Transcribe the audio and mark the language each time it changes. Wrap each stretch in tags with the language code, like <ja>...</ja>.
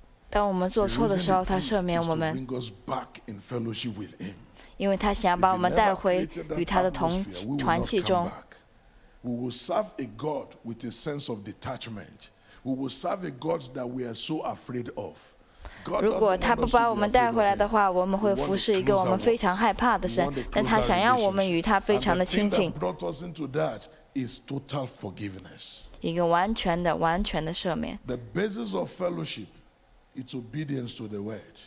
<zh>当我们做错的时候，他赦免我们。</zh> <en>He brings us back in fellowship with Him.</en> <zh>因为他想把我们带回与他的同团契中。</zh> <en>We will serve a God with a sense of detachment. We will serve a God that we are so afraid of.</en> <zh>如果他不把我们带回来的话，我们会服侍一个我们非常害怕的神。但他想让我们与他非常的亲近。</zh> <en>And the thing that brought us into that is total forgiveness.</en> <zh>一个完全的、完全的赦免。</zh> <en>The basis of fellowship is obedience to the word.</en>